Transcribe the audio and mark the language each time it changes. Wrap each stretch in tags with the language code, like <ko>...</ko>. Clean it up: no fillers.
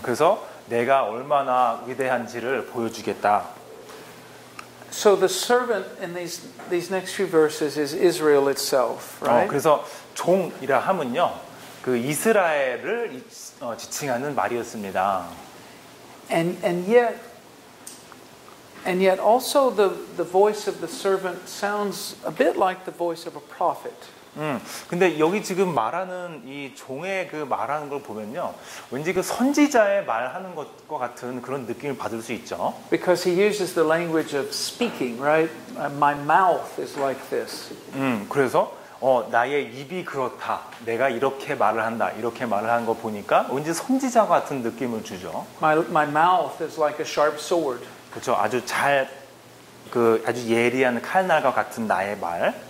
<ko>그래서 내가 얼마나 위대한지를 보여주겠다.</ko> <en>So the servant in these next few verses is Israel itself, right?</en> <ko>그래서 종이라 함은요, 그 이스라엘을 지칭하는 말이었습니다.</ko> <en>And yet, And yet also the voice of the servant sounds a bit like the voice of a prophet.</en> <ko>근데 여기 지금 말하는 이 종의 그 말하는 걸 보면요. 왠지 그 선지자의 말하는 것과 같은 그런 느낌을 받을 수 있죠.</ko> <en>Because he uses the language of speaking, right? My mouth is like this.</en> <ko>그래서 나의 입이 그렇다. 내가 이렇게 말을 한다. 이렇게 말을 하는 거 보니까 왠지 선지자 같은 느낌을 주죠.</ko> <en>My mouth is like a sharp sword.</en> <ko>그렇죠. 아주 잘 그 아주 예리한 칼날과 같은 나의 말.</ko>